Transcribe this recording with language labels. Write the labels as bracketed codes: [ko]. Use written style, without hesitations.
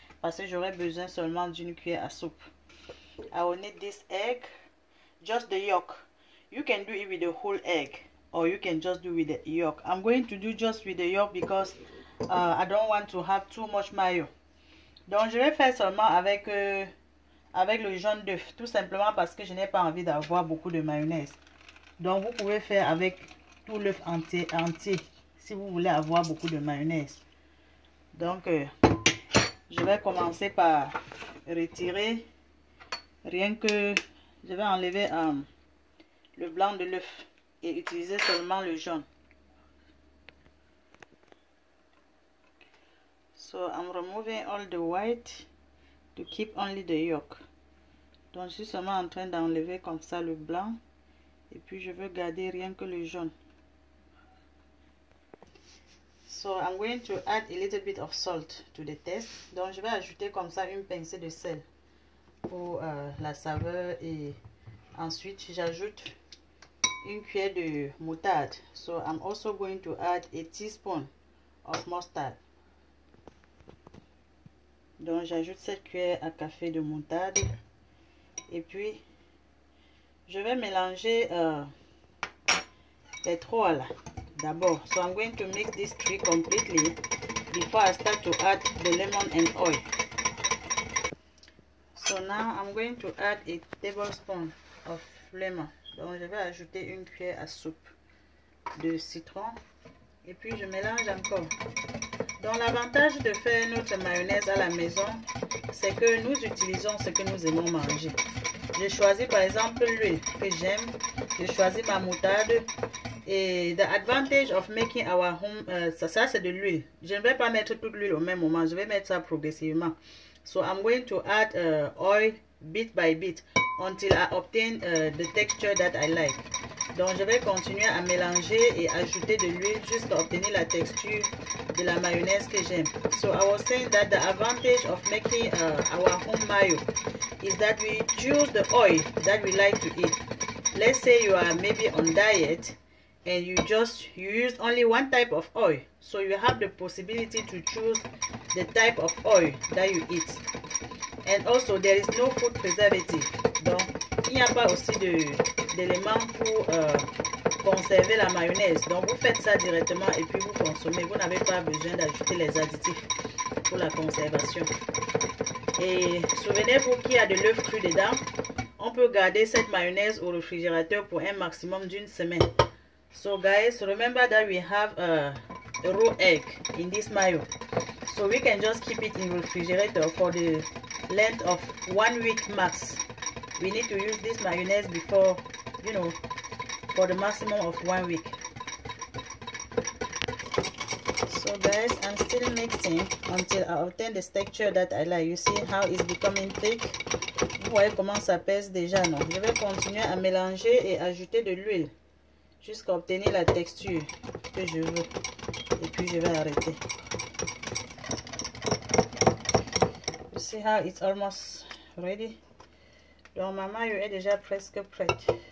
[fr] Parce que j'aurai besoin seulement d'une cuillère à soupe. [en] I will need this egg. Just the yolk. You can do it with the whole egg. Or you can just do with the yolk. I'm going to do just with the yolk because I don't want to have too much mayo. [fr] Donc, je vais faire seulement avec, avec le jaune d'œuf. Tout simplement parce que je n'ai pas envie d'avoir beaucoup de mayonnaise. Donc, vous pouvez faire avec l'œuf entier si vous voulez avoir beaucoup de mayonnaise. Donc je vais commencer par retirer, rien que je vais enlever le blanc de l'œuf et utiliser seulement le jaune. [en] So I'm removing all the white to keep only the yolk. [fr] Donc je suis seulement en train d'enlever comme ça le blanc et puis je veux garder rien que le jaune. [en] So I'm going to add a little bit of salt to the test. [fr] Donc je vais ajouter comme ça une pincée de sel pour la saveur et ensuite j'ajoute une cuillère de moutarde. [en] So I'm also going to add a teaspoon of mustard. [fr] Donc j'ajoute cette cuillère à café de moutarde et puis je vais mélanger les trois là. D'abord, [en] so I'm going to make this three completely before I start to add the lemon and oil. So now I'm going to add a tablespoon of lemon. [fr] Donc je vais ajouter une cuillère à soupe de citron et puis je mélange encore. Donc l'avantage de faire notre mayonnaise à la maison, c'est que nous utilisons ce que nous aimons manger. J'ai choisi par exemple l'huile que j'aime, j'ai choisi ma moutarde. Et [en] the advantage of making our home, [fr] ça c'est de l'huile. Je ne vais pas mettre toute l'huile au même moment. Je vais mettre ça progressivement. [en] So I'm going to add oil bit by bit until I obtain the texture that I like. [fr] Donc je vais continuer à mélanger et ajouter de l'huile jusqu'à obtenir la texture de la mayonnaise que j'aime. [en] So I was saying that the advantage of making our home mayo is that we choose the oil that we like to eat. Let's say you are maybe on diet. And you use only one type of oil, so you have the possibility to choose the type of oil that you eat. And also, there is no food preservative. [fr] Donc, il n'y a pas aussi d'éléments pour conserver la mayonnaise. Donc, vous faites ça directement et puis vous consommez. Vous n'avez pas besoin d'ajouter les additifs pour la conservation. Et souvenez-vous qu'il y a de l'œuf cru dedans. On peut garder cette mayonnaise au réfrigérateur pour un maximum d'une semaine. [en] So guys, remember that we have a raw egg in this mayo. So we can just keep it in the refrigerator for the length of 1 week max. We need to use this mayonnaise before, you know, for the maximum of 1 week. So guys, I'm still mixing until I obtain the texture that I like. You see how it's becoming thick? [fr] Vous voyez comment ça pèse déjà, non? Je vais continuer à mélanger et ajouter de l'huile. Jusqu'à obtenir la texture que je veux. Et puis je vais arrêter. [en] You see how it's almost ready? [fr] Donc ma mayo est déjà presque prête.